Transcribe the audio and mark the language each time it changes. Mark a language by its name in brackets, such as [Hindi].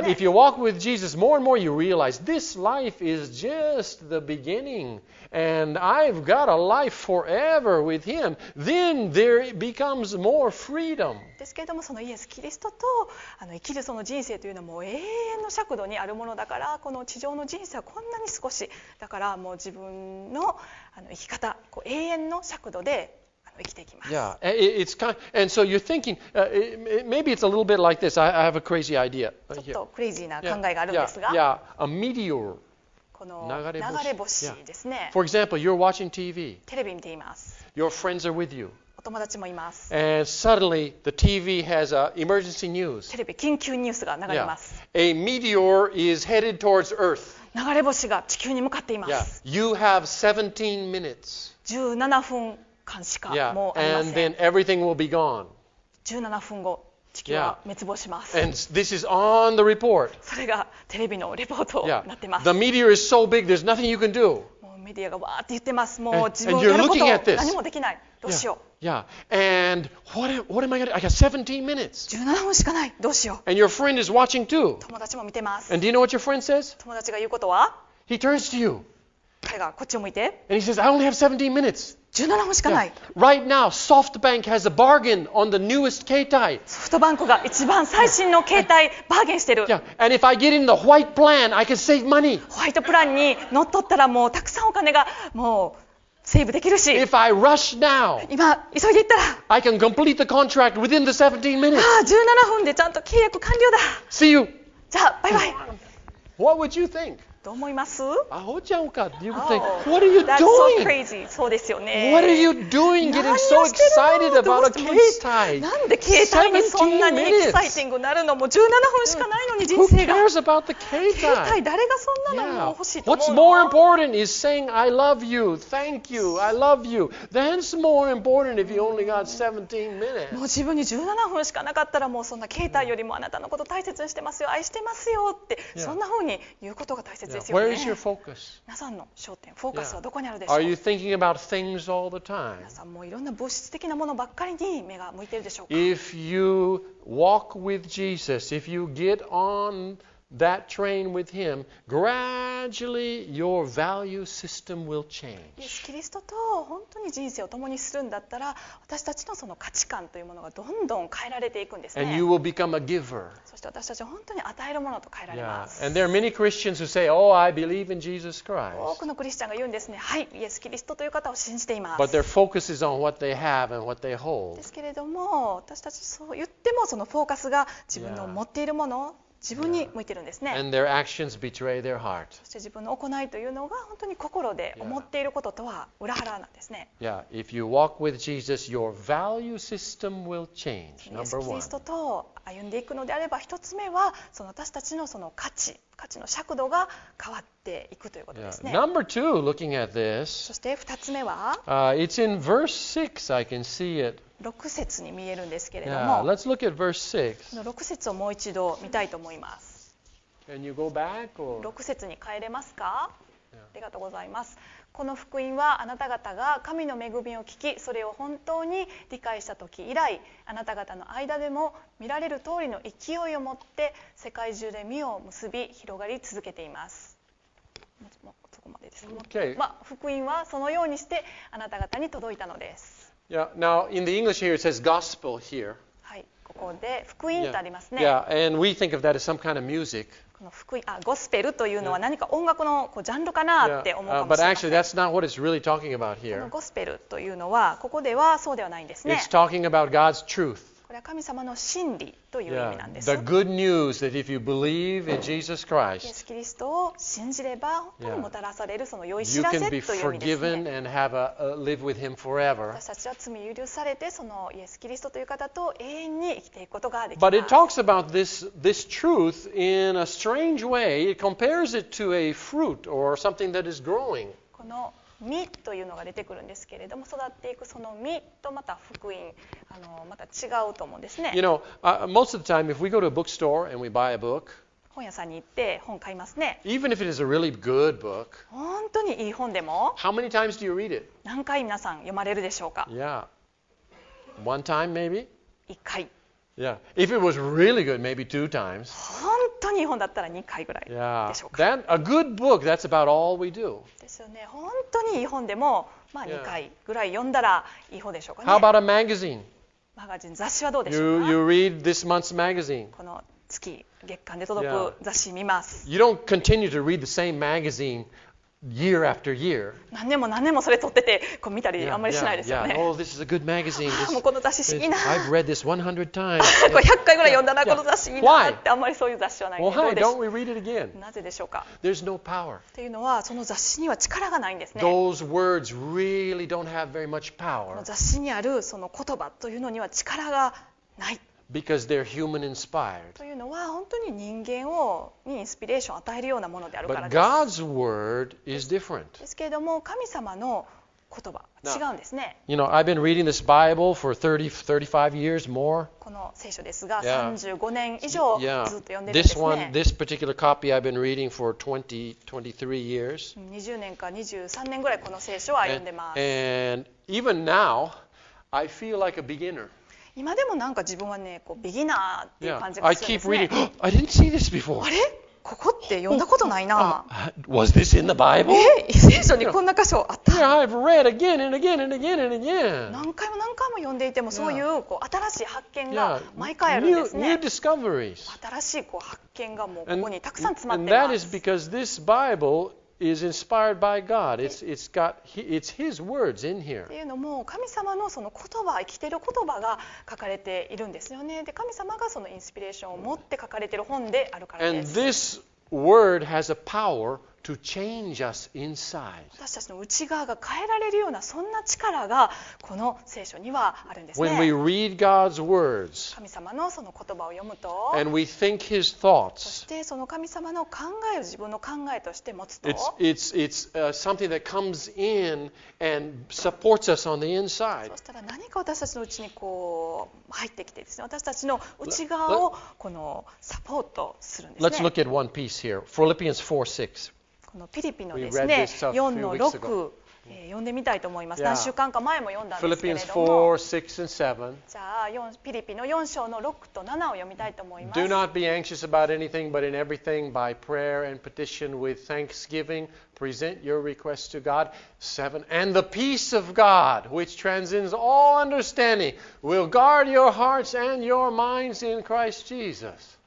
[English] But if you walk with Jesus, more and more you realize this life is just the beginning. And I've got a life forever with him. Then there becomes more freedom. [Japanese] ですけれども、そのイエス・キリストと生きるその人生というのはもう永遠の尺度にあるものだから、この地上の人生はこんなに少し。だからもう自分の生き方、こう永遠の尺度で生きていきます。 [English] Yeah, it's kind. And so you're thinking, maybe it's a little bit like this. I have a crazy idea. [Japanese] ちょっとクレイジーな考えがあるんですが。 [English] Yeah, a meteor. [Japanese] 流れ星ですね。 [English] For example, you're watching TV. [Japanese] テレビ見ています。 [English] Your friends are with you. [Japanese] お友達もいます。 [English] And suddenly, the TV has an emergency news. [Japanese] テレビ緊急ニュースが流れます。 [English] A meteor is headed towards Earth. [Japanese] 流れ星が地球に向かっています。 [English] You have 17 minutes. [Japanese] 17分間しかもうありません。 [English] And then everything will be gone. [Japanese] 17分後。地球は滅亡します。 [English] And this is on the report. [Japanese] それがテレビのレポートになってます。 [English] The meteor is so big, there's nothing you can do. [Japanese] もうメディアがわーって言ってます。もう自分やること何もできない。どうしよう。 [English] And what am I gonna do? I got 17 minutes. [Japanese] 17分しかない。どうしよう。 [English] And your friend is watching too. [Japanese] 友達も見てます。 [English] And do you know what your friend says? [Japanese] 友達が言うことは? [English] He turns to you. [Japanese] 彼がこっちを向いて。 [English] And he says, I only have 17 minutes. [Japanese] 17分しかない。 [English] Right now, SoftBank has a bargain on the newest 携帯。 [Japanese] ソフトバンクが一番最新の携帯バーゲンしてる。 [English] And if I get in the white plan, I can save money. [Japanese] ホワイトプランに乗っ取ったらもうたくさんお金がもうセーブできるし。 [English] If I rush now, [Japanese] 今急いで行ったら。 [English] I can complete the contract within the 17 minutes. [Japanese] ああ、17分でちゃんと契約完了だ。 [English] See you. [Japanese] じゃあ、バイバイ。 [English] What would you think? [Japanese] どう思います？アホちゃんか。 [English] You think, what are you doing? That's so crazy. [Japanese] そうですよね。 [English] What are you doing getting so excited? excited about a kid's time. [Japanese] なんで携帯にそんなにエキサイティングなるの？もう17分しかないのに人生が。 [English] Who cares about the 携帯？ [Japanese] 携帯誰がそんなのも欲しいと思うの？ [English] What's more important is saying I love you, thank you, I love you. That's more important if you only got 17 minutes. [Japanese] もう自分に17分しかなかったらもうそんな携帯よりもあなたのこと大切にしてますよ、愛してますよってそんな風に言うことが大切ですよね。 [English] Where is your focus? [Japanese] 皆さんの焦点、フォーカスはどこにあるでしょ [English] う？ Are you thinking about things all the time? [Japanese] 皆さんもういろんな物質的なものばっかりに目が向いているでしょうか？ [English] If you walk with Jesus, if you get on that train with him, gradually your value system will change. [Japanese] イエス・キリストと本当に人生を共にするんだったら、私たちのその価値観というものがどんどん変えられていくんですね。 [English] And you will become a giver. [Japanese] そして私たちは本当に与えるものと変えられます。 [English] Yeah. And there are many Christians who say, oh, I believe in Jesus Christ. [Japanese] 多くのクリスチャンが言うんですね。はい、イエス・キリストという方を信じています。 [English] But their focus is on what they have and what they hold. [Japanese] ですけれども、私たちそう言ってもそのフォーカスが自分の持っているもの、自分に向いてるんですね。 [English] And their actions betray their heart. [Japanese] そして自分の行いというのが本当に心で思っていることとは裏腹なんですね。 [English] Yeah. If you walk with Jesus, your value system will change. Number one. [Japanese] イエス・キリストと歩んでいくのであれば、一つ目はその私たちのその価値の尺度が変わっていくということですね。 [English] Yeah. Number two, looking at this. [Japanese] そして二つ目は、 [English] It's in verse 6. I can see it. [Japanese] 6節に見えるんですけれども、 [English] yeah, let's look at verse 6. [Japanese] この6節をもう一度見たいと思います。 [English] Can you go back or... [Japanese] 6節に帰れますか、yeah. ありがとうございます。この福音はあなた方が神の恵みを聞き、それを本当に理解した時以来、あなた方の間でも見られる通りの勢いを持って世界中で実を結び広がり続けています。もうそこまでです、 [English] okay. [Japanese] まあ、福音はそのようにしてあなた方に届いたのです。 [English] Yeah, now in the English here it says gospel here. [Japanese] はい、ここで福音とありますね。 [English] Yeah, and we think of that as some kind of music. [Japanese] この福音、あ、ゴスペルというのは何か音楽のこうジャンルかなって思うかもしれません。 [English] But actually that's not what it's really talking about here. [Japanese] このゴスペルというのはここではそうではないんですね。 [English] It's talking about God's truth. [Japanese] これは神様の真理という意味なんです。 [English] Yeah, the good news that if you believe in Jesus Christ, [Japanese] イエス・キリストを信じれば本当にもたらされるその良い知らせという意味ですね。 [English] You can be forgiven and have a live with him forever. [Japanese] 私たちは罪を許されてそのイエス・キリストという方と永遠に生きていくことができます。 [English] But it talks about this truth in a strange way. It compares it to a fruit or something that is growing. [Japanese] この実というのが出てくるんですけれども、育っていくその実とまた福音、また違うと思うんですね。 [English] You know, most of the time, if we go to a bookstore and we buy a book, [Japanese] 本屋さんに行って本買いますね。 [English] Even if it is a really good book, [Japanese] 本当にいい本でも、 [English] How many times do you read it? [Japanese] 何回皆さん読まれるでしょうか？ [English] Yeah. One time, maybe? [Japanese] 一回。 [English] Yeah. If it was really good, maybe two times. [Japanese] 本当に本だったら2回ぐらいでしょうか。 [English] Yeah. That, a good book, that's about all we do. [Japanese] ですよね。本当にいい本でも、まあ2回ぐらい読んだらいい本でしょうかね。 [English] How about a magazine? [Japanese] マガジン、雑誌はどうでしょう [English] か。You read this month's magazine. [Japanese] この月、月刊で届く雑誌見ます。 [English] You don't continue to read the same magazine year after year. [Japanese] 何年も何年もそれ撮っててこう見たりあんまりしないですよね。 [English] yeah, yeah, yeah. Oh, this is a good magazine. [Japanese] This, もうこの雑誌いいな。 [English] I've read this 100 times. [Japanese] 100回ぐらい読んだな、この雑誌いいなってあんまりそういう雑誌はない。 [English] Well, why? Don't we read it again? [Japanese] なぜでしょうか。 [English] There's no power. [Japanese] っていうのはその雑誌には力がないんですね。 [English] Those words really don't have very much power. [Japanese] この雑誌にあるその言葉というのには力がない。 [English] Because they're human inspired. [Japanese] というのは本当に人間をにインスピレーションを与えるようなものであるからです。 [English] But God's word is different. [Japanese] ですけれども神様の言葉違うんですね。 [English] Now, you know, I've been reading this Bible for 35 years more. [Japanese] この聖書ですが、35年以上ずっと読んでるんですね。 [English] This one, this particular copy I've been reading for 23 years. [Japanese] 20年か23年ぐらいこの聖書は読んでます。 [English] And even now, I feel like a beginner. [Japanese] 今でもなんか自分はね、こうビギナーっていう感じがするんですね。 [English] Yeah, I keep reading. I didn't see this before. [Japanese] あれ？ここって読んだことないな。 [English] Was this in the Bible? [Japanese] 聖書にこんな箇所あった。 [English] Yeah, I've read again and again and again and again. [Japanese] 何回も何回も読んでいても、そういう、こう新しい発見が毎回あるんですね。 [English] Yeah, new discoveries. [Japanese] 新しいこう発見がもうここにたくさん詰まって [English] ます。And that is because this Bible... is inspired by God. It's His words in here. [Japanese] というのも神様のその言葉、生きている言葉が書かれているんですよね。で、神様がそのインスピレーションを持って書かれている本であるからです。 [English] And this word has a power to change us inside. [Japanese] 私たちの内側が変えられるようなそんな力がこの聖書にはあるんですね。 [English] When we read God's words, [Japanese] 神様のその言葉を読むと、 [English] and we think His thoughts, [Japanese] そしてその神様の考えを自分の考えとして持つと、 [English] it's something that comes in and supports us on the inside. [Japanese] そしたら何か私たちの内にこう入ってきてですね、私たちの内側をこのサポートするんですね。 [English] Let's look at one piece here. Philippians 4:6. [Japanese] このピリピのですね、4の6、読んでみたいと思います。何週間か前も読んだんですけれども、 [English] Philippians 4, 6 and 7. [Japanese] じゃあ、ピリピの4章の6と7を読みたいと思います。 [English] Do not be anxious about anything, but in everything, by prayer and petition with thanksgiving, present your requests to God. 7. And the peace of God, which transcends all understanding, will guard your hearts and your minds in Christ Jesus.